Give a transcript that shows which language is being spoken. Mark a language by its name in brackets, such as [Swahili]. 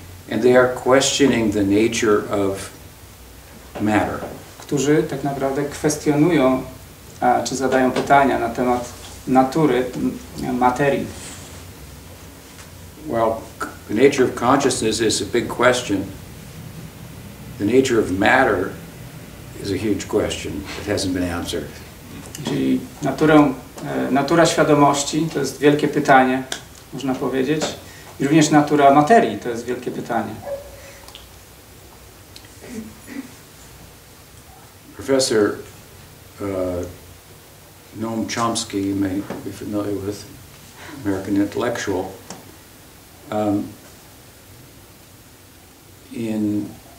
[English] And they are questioning the nature of matter. [Polish] Którzy tak naprawdę kwestionują, czy zadają pytania na temat natury, materii. [English] Well, the nature of consciousness is a big question. the nature of matter is a huge question that hasn't been answered. [Polish] Czyli natura świadomości to jest wielkie pytanie, można powiedzieć. I również natura materii to jest wielkie pytanie. [English] Professor Noam Chomsky, you may be familiar with, American intellectual, in